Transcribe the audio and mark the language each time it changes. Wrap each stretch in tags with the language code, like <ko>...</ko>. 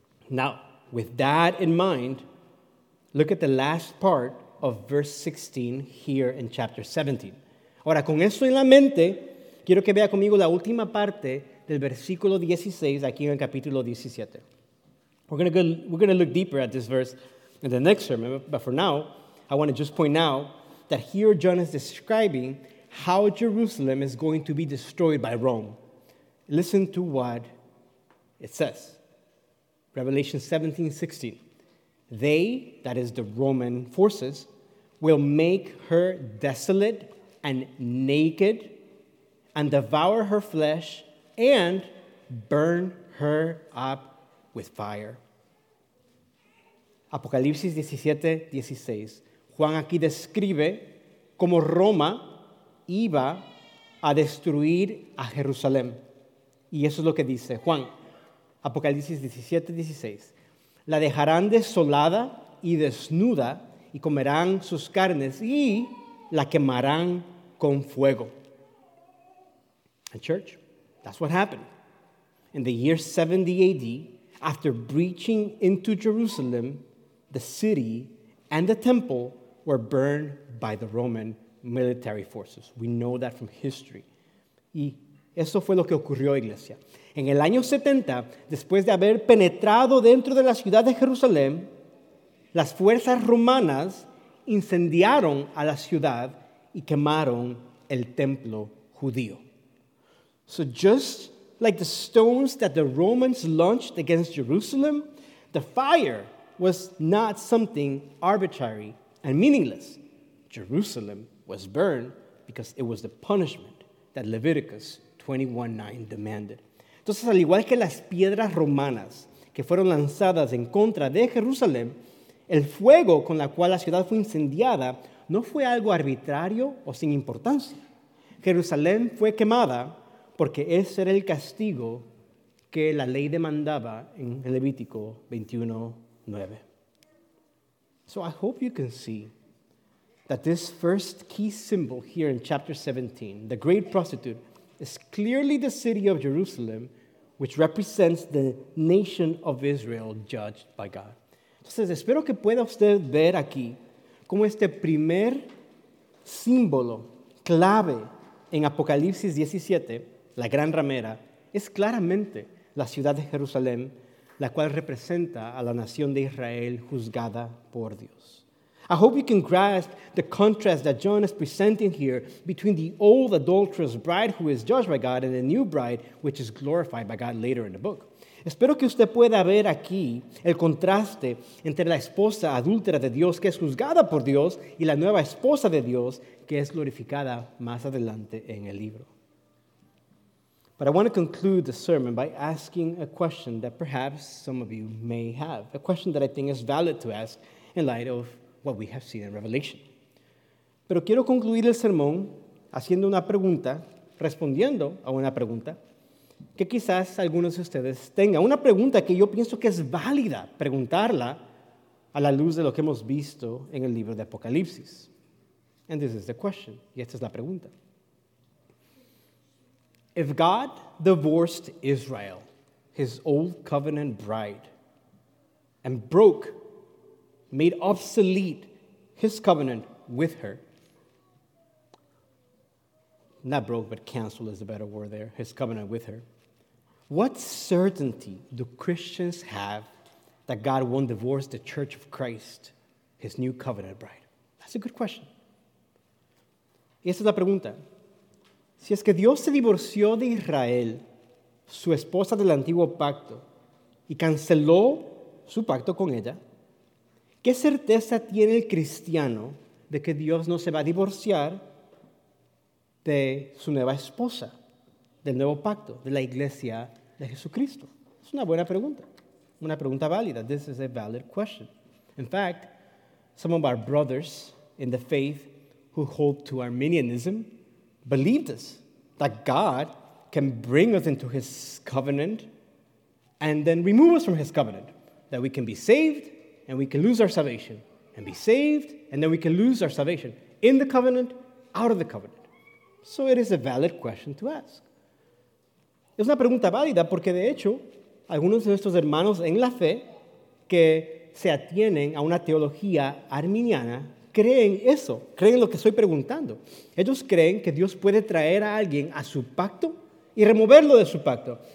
<en>Now, with that in mind, look at the last part of verse 16 here in chapter 17.</en> <es>Ahora, con eso en la mente, quiero que vea conmigo la última parte del versículo 16 aquí en el capítulo 17.</es> <en>We're going to look deeper at this verse in the next sermon, but for now, I want to just point out that here John is describing how Jerusalem is going to be destroyed by Rome. Listen to what it says. Revelation 17:16. They, that is the Roman forces, will make her desolate and naked and devour her flesh and burn her up with fire.</en> <es>Apocalipsis 17, 16. Juan aquí describe cómo Roma iba a destruir a Jerusalén. Y eso es lo que dice Juan, Apocalipsis 17, 16. La dejarán desolada y desnuda y comerán sus carnes y la quemarán con fuego.</es> <en>And church, that's what happened. In the year 70 AD, after breaching into Jerusalem, the city and the temple were burned by the Roman military forces. We know that from history.</en> <es>Y eso fue lo que ocurrió, iglesia. En el año 70, después de haber penetrado dentro de la ciudad de Jerusalén, las fuerzas romanas incendiaron a la ciudad y quemaron el templo judío.</es> <en>So just like the stones that the Romans launched against Jerusalem, the fire was not something arbitrary and meaningless. Jerusalem was burned because it was the punishment that Leviticus 21:9 demanded.</en> <es>Entonces, al igual que las piedras romanas que fueron lanzadas en contra de Jerusalén, el fuego con la cual la ciudad fue incendiada no fue algo arbitrario o sin importancia. Jerusalén fue quemada porque ese era el castigo que la ley demandaba en Levítico 21:9.</es> <en>So I hope you can see that this first key symbol here in chapter 17, the great prostitute, is clearly the city of Jerusalem, which represents the nation of Israel judged by God.</en> <es>Entonces, espero que pueda usted ver aquí cómo este primer símbolo clave en Apocalipsis 17, la gran ramera, es claramente la ciudad de Jerusalén, la cual representa a la nación de Israel juzgada por Dios.</es> <en>I hope you can grasp the contrast that John is presenting here between the old adulterous bride who is judged by God and the new bride which is glorified by God later in the book.</en> <es>Espero que usted pueda ver aquí el contraste entre la esposa adúltera de Dios que es juzgada por Dios y la nueva esposa de Dios que es glorificada más adelante en el libro.</es> <en>But I want to conclude the sermon by asking a question that perhaps some of you may have, a question that I think is valid to ask in light of what we have seen in Revelation.</en> <es>Pero quiero concluir el sermón haciendo una pregunta, respondiendo a una pregunta que quizás algunos de ustedes tengan. Una pregunta que yo pienso que es válida preguntarla a la luz de lo que hemos visto en el libro de Apocalipsis.</es> <en>And this is the question.</en> <es>Y esta es la pregunta.</es> <en>If God divorced Israel, his old covenant bride, and broke, made obsolete his covenant with her. Not broke, but canceled is a better word there. His covenant with her. What certainty do Christians have that God won't divorce the Church of Christ, his new covenant bride? That's a good question.</en> <es>Y esa es la pregunta. Si es que Dios se divorció de Israel, su esposa del antiguo pacto, y canceló su pacto con ella, ¿qué certeza tiene el cristiano de que Dios no se va a divorciar de su nueva esposa, del nuevo pacto, de la iglesia de Jesucristo? Es una buena pregunta, una pregunta válida.</es> <en>This is a valid question. In fact, some of our brothers in the faith who hold to Arminianism believe this, that God can bring us into his covenant and then remove us from his covenant, that we can be saved, and we can lose our salvation, and be saved, and then we can lose our salvation in the covenant, out of the covenant. So it is a valid question to ask.</en> <es>Es una pregunta válida porque, de hecho, algunos de nuestros hermanos en la fe que se atienen a una teología arminiana creen eso, creen lo que estoy preguntando. Ellos creen que Dios puede traer a alguien a su pacto y removerlo de su pacto.</es>